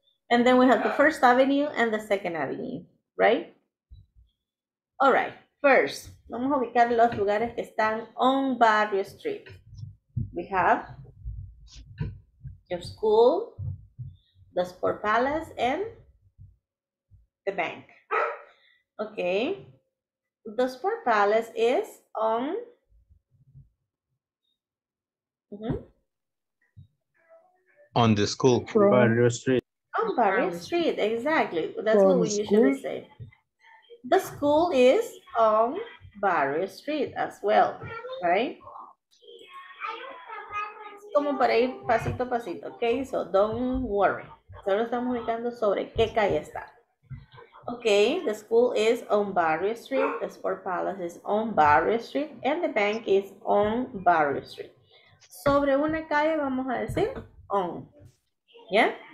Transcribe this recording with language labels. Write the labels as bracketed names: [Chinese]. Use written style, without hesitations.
[English] And then we have the First Avenue and the Second Avenue, right? All right. [Spanish] First, vamos a ubicar los lugares que están [English] on Barrio Street. We have your school, the Sport Palace, and the bank. Okay. The Sport Palace is on... Mm-hmm. On the school. Barrio Street. On Barrio Street, exactly. That's from what we school? Usually say. The school is on Barrio Street as well, right? [Spanish] Como para ir pasito a pasito, [English] okay? So don't worry. [Spanish] Solo estamos ubicando sobre qué calle está. [English] Okay, the school is on Barrio Street, the Sport Palace is on Barrio Street, and the bank is on Barrio Street. [Spanish] Sobre una calle vamos a decir on, yeah?